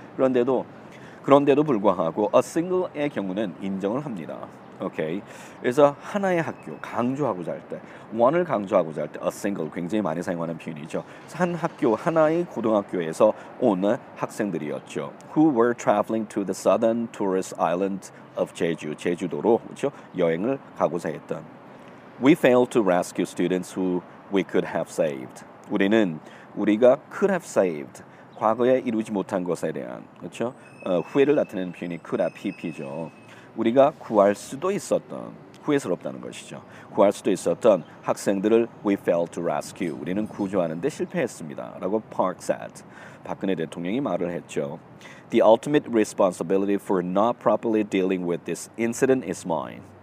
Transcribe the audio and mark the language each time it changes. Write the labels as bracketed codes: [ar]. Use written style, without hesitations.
[ko] 그런데도 불구하고 a single의 경우는 인정을 합니다. Okay. 그래서 하나의 학교 강조하고자 할 때 one을 강조하고자 할 때 a single 굉장히 많이 사용하는 표현이죠. 한 학교 하나의 고등학교에서 온 학생들이었죠. [en] Who were traveling to the southern tourist island of Jeju [ko] 제주도로 그렇죠? 여행을 가고자 했던 [en] We failed to rescue students who we could have saved [ko] 우리는 우리가 [en] could have saved [ko] 과거에 이루지 못한 것에 대한 그렇죠? 후회를 나타내는 표현이 [en] could have pp [ko] 죠 우리가 구할 수도 있었던, 후회스럽다는 것이죠. 구할 수도 있었던 학생들을 [en] we failed to rescue. [ko] 우리는 구조하는 데 실패했습니다. 라고 Park said. 박근혜 대통령이 말을 했죠. [en] The ultimate responsibility for not properly dealing with this incident is mine.